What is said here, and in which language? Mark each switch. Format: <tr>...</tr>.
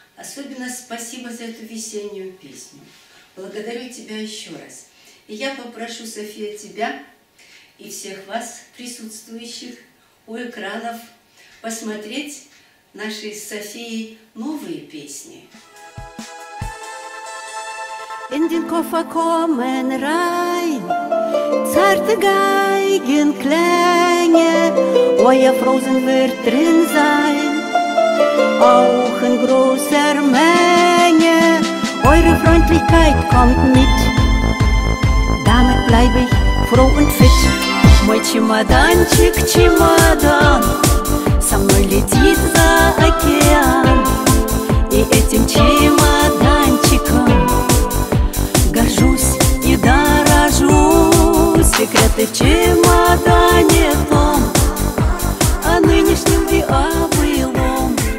<ru>Особенно спасибо за эту весеннюю песню. Благодарю тебя еще раз. И я попрошу, София, тебя и всех вас, присутствующих у экранов, посмотреть нашей с Софией новые песни.</ru> <de>In den Koffer kommen rein zarte Geigenklänge, euer Frozen wird drin sein, auch in großer Menge. Eure Freundlichkeit kommt mit, damit bleib ich froh und fit.</de> <ru>Мой чемоданчик, чемодан, со мной летит за океан. И этим чемоданчиком горжусь и дорожу. Секреты в чемодане том, о нынешнем и о былом.</ru>